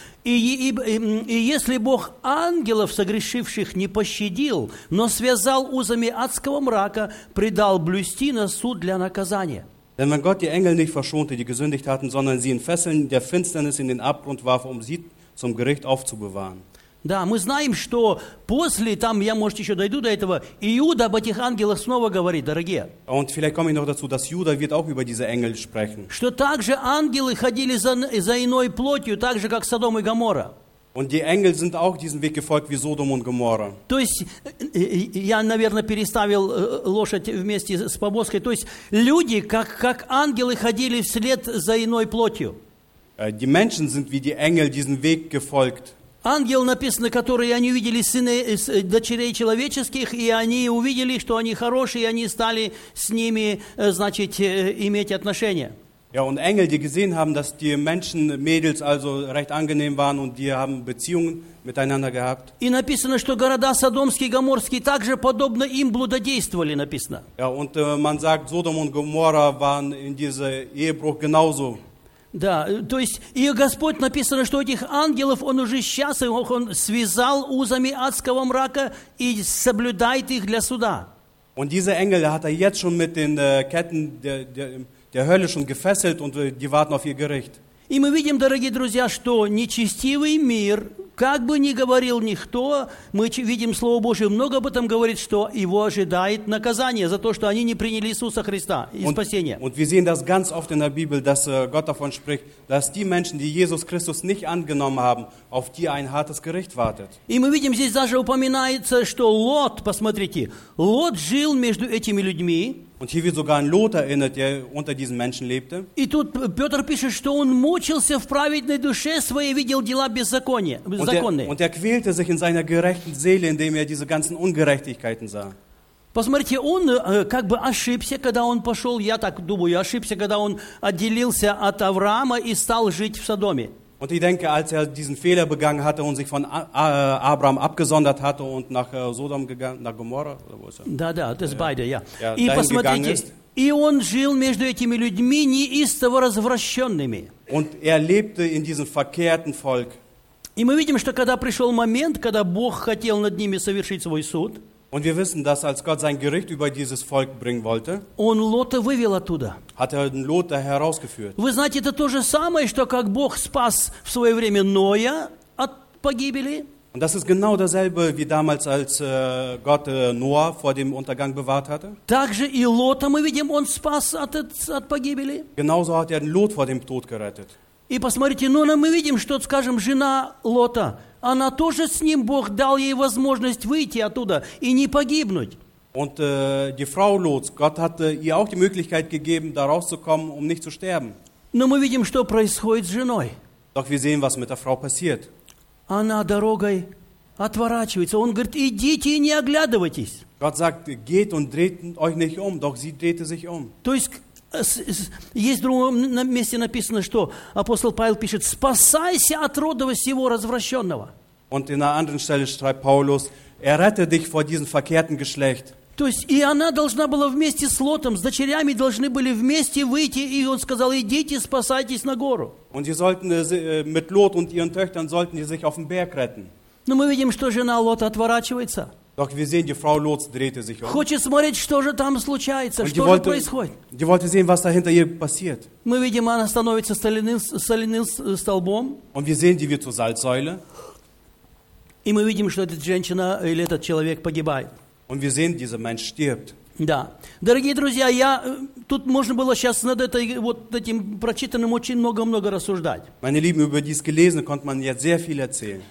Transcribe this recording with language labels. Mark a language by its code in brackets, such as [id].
[ru] И если Бог ангелов согрешивших не пощадил, но связал узами адского мрака, предал блюсти на суд для наказания. [de] Denn wenn Gott die Engel nicht verschonte, die gesündigt hatten, sondern sie in Fesseln der Finsternis in den Abgrund warf, um sie zum Gericht aufzubewahren. [ru] Да, мы знаем, что после, там я, может, еще дойду до этого, Иуда об этих ангелах снова говорит, дорогие. [de] Und vielleicht komme ich noch dazu, dass Judas wird auch über diese Engel sprechen. [ru] Что также ангелы ходили за иной плотью, так же, как Содом и Гоморра. [de] Und die Engel sind auch diesen Weg gefolgt wie Sodom und Gomorra. [ru] То есть я, наверное, переставил лошадь вместе с повозкой. То есть люди, как ангелы, ходили вслед за иной плотью. [de] Die Menschen sind wie die Engel diesen Weg gefolgt. [ru] Ангел написано, которые они увидели сыны дочерей человеческих, и они увидели, что они хорошие, и они стали с ними, значит, иметь отношения. [de] Ja, und Engel, die gesehen haben, dass die Menschen, Mädels, also recht angenehm waren und die haben Beziehungen miteinander gehabt. [ru] И написано, что города Содомские, Гоморские также подобно им блудодействовали, написано. [de] Ja, und man sagt, Sodom und Gomorra waren in dieser Ehebruch genauso. [ru] Да, то есть и Господь написано, что этих ангелов Он уже сейчас, Он связал узами адского мрака и соблюдает их для суда. [de] Und diese Engel hat jetzt schon mit den Ketten der Hölle schon gefesselt und die warten auf ihr Gericht. [ru] И мы видим, дорогие друзья, что нечестивый мир, как бы ни говорил никто, мы видим, Слово Божие много об этом говорит, что его ожидает наказание за то, что они не приняли Иисуса Христа и спасение. [de] Und wir sehen das ganz oft in der Bibel, dass Gott davon spricht, dass die Menschen, die Jesus Christus nicht angenommen haben, auf die ein hartes Gericht wartet. [ru] И мы видим, здесь даже упоминается, что Лот, посмотрите, Лот жил между этими людьми. [de] Und hier wird sogar an Lot erinnert, der unter diesen Menschen lebte. [ru] И тут Петр пишет, что он мучился в праведной душе своей, видел дела беззаконные. [de] Und er quälte sich in seiner gerechten Seele, indem er diese ganzen Ungerechtigkeiten sah. [ru] Посмотрите, он как бы ошибся, когда он пошел, я так думаю, ошибся, когда он отделился от Авраама и стал жить в Содоме. [de] Und ich denke, als er diesen Fehler begangen hatte und sich von Abraham abgesondert hatte und nach Sodom gegangen, nach Gomorra, oder wo ist er? [ru] Да, [de] das beide, ja. [ru] И посмотрите, и он жил между этими людьми неистово развращенными. [de] Und er lebte in diesem verkehrten Volk. [ru] И мы видим, что когда пришел момент, когда Бог хотел над ними совершить свой суд, [de] und wir wissen, dass als Gott sein Gericht über dieses Volk bringen wollte, [ru] он Лота вывел оттуда. [de] Hat er den Lot herausgeführt. [ru] Вы знаете, это то же самое, что как Бог спас в свое время Ноя от погибели. [de] Und das ist genau dasselbe, wie damals, als Gott Noah vor dem Untergang bewahrt hatte. [ru] Также и Лота мы видим, он спас от погибели. [de] Genauso hat er den Lot vor dem Tod gerettet. [ru] И посмотрите, ну, мы видим, что, скажем, жена Лота, она тоже с ним, Бог дал ей возможность выйти оттуда и не погибнуть. [de] Und die Frau Lots, Gott hat ihr auch die Möglichkeit gegeben, da rauszukommen, um nicht zu sterben. [ru] Но мы видим, что происходит с женой. [de] Doch wir sehen, was mit der Frau passiert. [ru] Она дорогой отворачивается. Он говорит, идите и не оглядывайтесь. [de] Gott sagt, geht und dreht euch nicht um. Doch sie drehte sich um. [ru] То есть, есть в другом месте написано, что апостол Павел пишет, спасайся от рода сего развращенного. [de] Und in einer anderen Stelle schreibt Paulus, errette dich vor diesem verkehrten Geschlecht. [ru] То есть, и она должна была вместе с Лотом, с дочерями должны были вместе выйти, и он сказал, идите, спасайтесь на гору. [de] Und sie sollten, mit Lot und ihren Töchtern sollten sie sich auf den Berg retten. [ru] Но мы видим, что жена Лота отворачивается. [de] Doch wir sehen, die Frau Lots drehte sich um. [ru] Хочет смотреть, что же там случается, [de] und [ru] что же происходит. [de] Die wollte sehen, was dahinter ihr passiert. [ru] Мы видим, она становится соляным столбом. [de] Und wir sehen, die wird zur Salzsäule. [ru] И мы видим, что эта женщина или этот человек погибает. [de] Und wir sehen, dieser Mensch stirbt. [ru] Да. Дорогие друзья, тут можно было сейчас над этим прочитанным очень много-много рассуждать. [de] Meine Lieben, über dies gelesen konnte man jetzt sehr viel erzählen.